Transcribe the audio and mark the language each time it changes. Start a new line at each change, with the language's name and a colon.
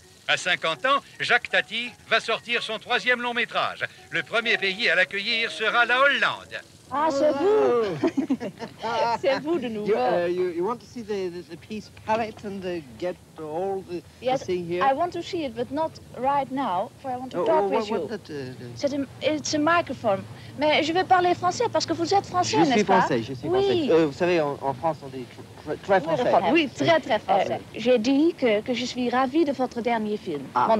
French: À 50 ans, Jacques Tati va sortir son troisième long métrage. Le premier pays à l'accueillir sera la Hollande. Ah, c'est vous. C'est vous de nouveau.
English: You want to see the piece palette and get all the thing here? I want to see it, but not right now, for I want to talk with you. It's a microphone.
French: Mais je vais parler français parce que vous êtes français, n'est-ce pas? Je suis français. Vous savez, en France, on dit très français. Oui, très, très français. J'ai dit que je suis ravie de votre dernier film, mon oncle.